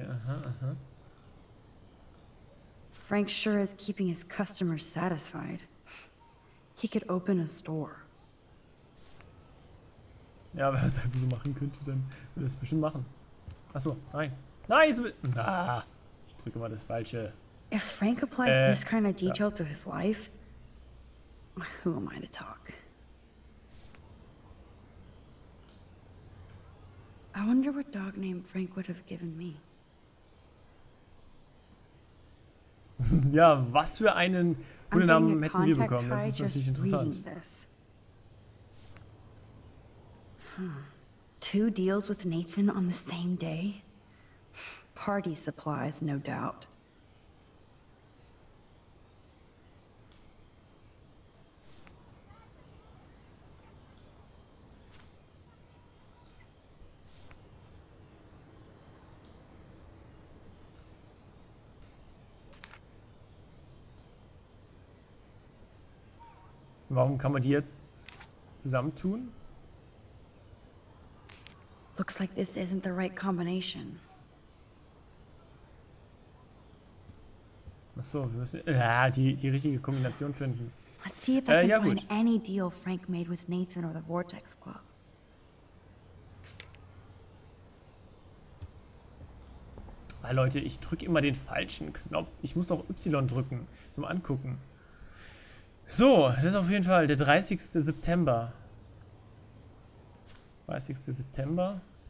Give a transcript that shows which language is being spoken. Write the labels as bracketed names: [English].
[English] Aha. Frank sure is keeping his customers satisfied. He could open a store. [German] Ja, wer es einfach so machen könnte, dann würde es bestimmt machen. Achso, nein. Nein! Ah, ich drücke mal das Falsche. [English] If Frank applied this kind of detail to his life, who am I to talk? I wonder what dog name Frank would have given me. [German] Ja, was für einen guten Namen hätten wir bekommen? Das ist natürlich interessant. [English] Two deals with Nathan on the same day? Party supplies, no doubt. [German] Warum kann man die jetzt zusammentun? [English] Looks like this isn't the right combination. [German] Ach so, wir müssen die richtige Kombination finden. [English] Let's see if I can find any deal Frank made with Nathan or the Vortex Club. [German] Ah, Leute, ich drücke immer den falschen Knopf. Ich muss doch Y drücken zum Angucken. So, das ist auf jeden Fall der 30. September. 30. September.